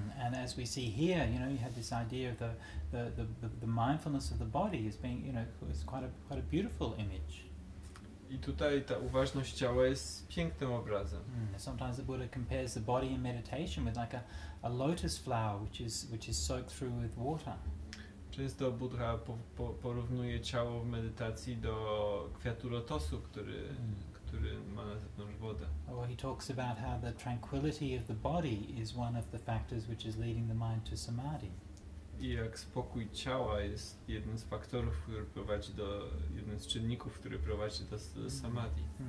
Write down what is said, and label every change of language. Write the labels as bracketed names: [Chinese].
[English] And as we see here, you have this idea of the mindfulness of the body is being, it's quite a beautiful image. [Polish] I tutaj ta uważność ciała jest pięknym obrazem. [English] Sometimes the Buddha compares the body in meditation with like a lotus flower, which is soaked through with water. [Polish] Często Buddha porównuje ciało w medytacji do kwiatu lotosu, który ma na zewnątrz wodę. [English] Oh, he talks about how the tranquility of the body is one of the factors which is leading the mind to samadhi. [Polish] I jak spokój ciała jest jednym z faktorów, który prowadzi do jednym z czynników, który prowadzi do samadhi.